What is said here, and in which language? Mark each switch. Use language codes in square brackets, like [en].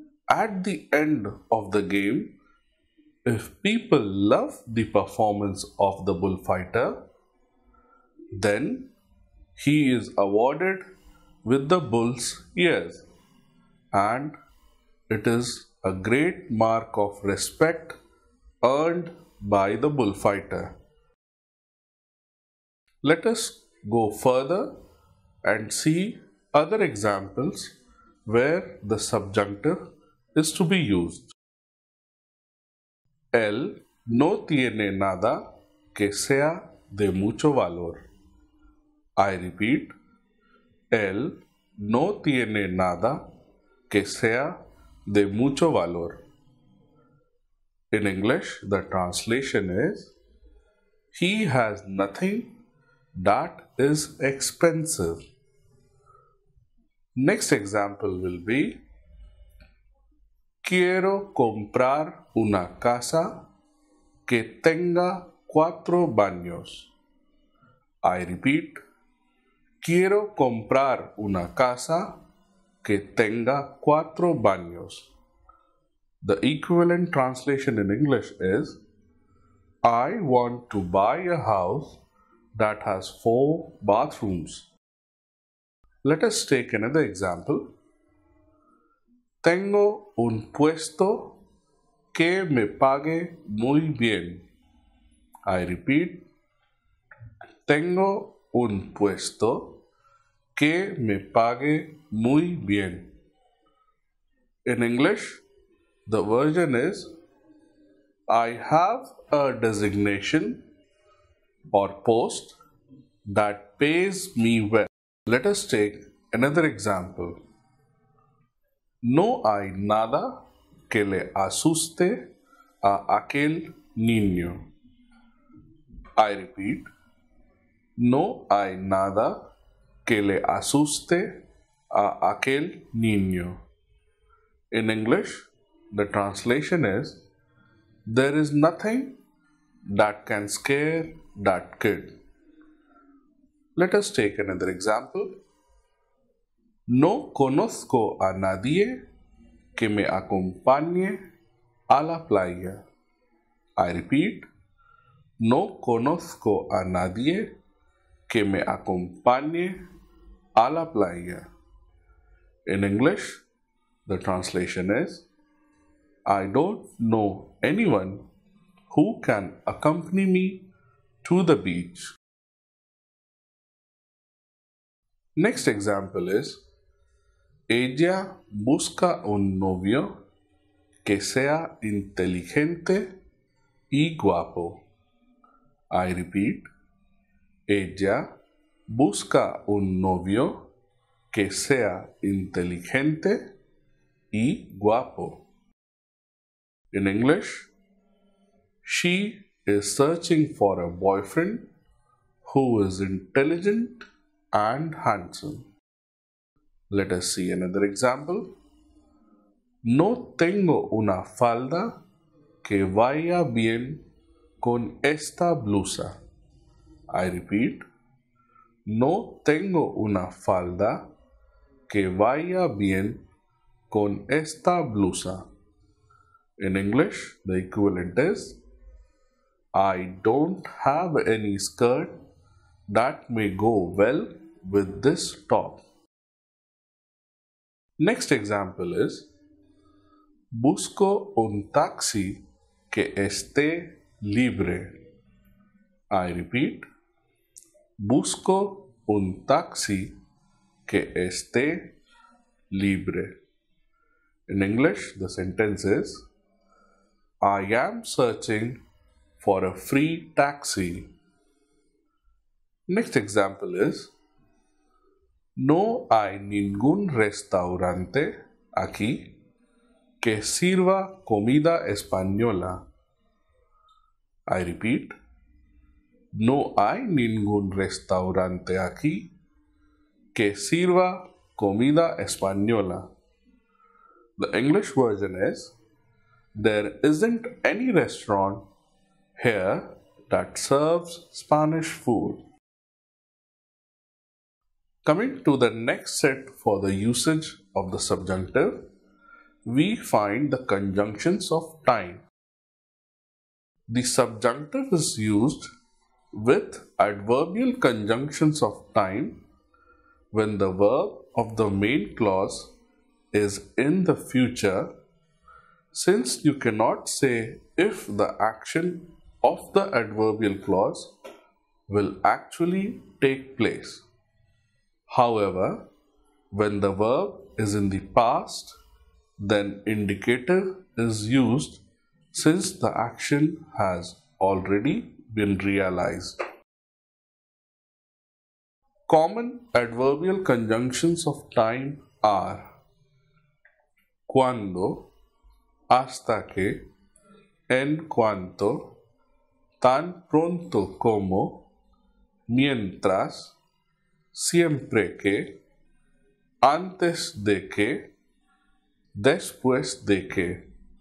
[en] At the end of the game, if people love the performance of the bullfighter, then he is awarded with the bull's ears, and it is a great mark of respect earned by the bullfighter. Let us go further and see other examples where the subjunctive is to be used. [es] Él no tiene nada que sea de mucho valor. [en] I repeat. [es] Él no tiene nada que sea de mucho valor. [en] In English, the translation is, he has nothing that is expensive. Next example will be, [es] quiero comprar una casa que tenga cuatro baños. [en] I repeat, [es] quiero comprar una casa que tenga cuatro baños. [en] The equivalent translation in English is, I want to buy a house that has four bathrooms. Let us take another example. [es] Tengo un puesto que me pague muy bien. [en] I repeat. [es] Tengo un puesto que me pague muy bien. [en] In English, the version is, I have a designation or post that pays me well. Let us take another example. [es] No hay nada que le asuste a aquel niño. [en] I repeat. [es] No hay nada que le asuste a aquel niño. [en] In English, the translation is, there is nothing that can scare that kid. Let us take another example. [es] No conozco a nadie que me acompañe a la playa. [en] I repeat. [es] No conozco a nadie que me acompañe a la playa. [en] In English, the translation is, I don't know anyone who can accompany me to the beach. Next example is, [es] ella busca un novio que sea inteligente y guapo. [en] I repeat, [es] ella busca un novio que sea inteligente y guapo. [en] In English, she is searching for a boyfriend who is intelligent and handsome. Let us see another example. [es] No tengo una falda que vaya bien con esta blusa. [en] I repeat. [es] No tengo una falda que vaya bien con esta blusa. [en] In English, the equivalent is, I don't have any skirt that may go well with this top. Next example is, [es] busco un taxi que esté libre. [en] I repeat, [es] busco un taxi que esté libre. [en] In English, the sentence is, I am searching for a free taxi. Next example is, [es] no hay ningún restaurante aquí que sirva comida española. [en] I repeat, [es] no hay ningún restaurante aquí que sirva comida española. [en] The English version is, there isn't any restaurant here that serves Spanish food. Coming to the next set for the usage of the subjunctive, we find the conjunctions of time. The subjunctive is used with adverbial conjunctions of time when the verb of the main clause is in the future, since you cannot say if the action of the adverbial clause will actually take place. However, when the verb is in the past, then indicative is used since the action has already been realized. Common adverbial conjunctions of time are cuando, hasta que, en cuanto, tan pronto como, mientras, siempre que, antes de que, después de que.